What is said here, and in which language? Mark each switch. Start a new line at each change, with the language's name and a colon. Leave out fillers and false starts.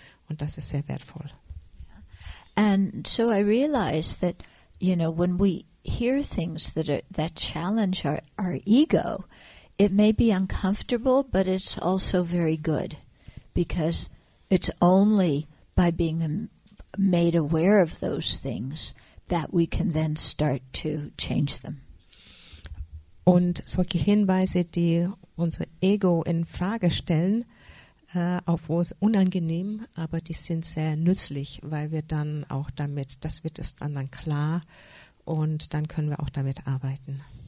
German: Und das ist sehr wertvoll.
English: And so I realized that, you know, when we hear things that challenge our ego, it may be uncomfortable, but it's also very good, because it's only by being made aware of those things that we can then start to change them.
German: Und solche Hinweise, die unser Ego in Frage stellen, obwohl es unangenehm, aber die sind sehr nützlich, weil wir dann auch damit, das wird es dann klar und dann können wir auch damit arbeiten.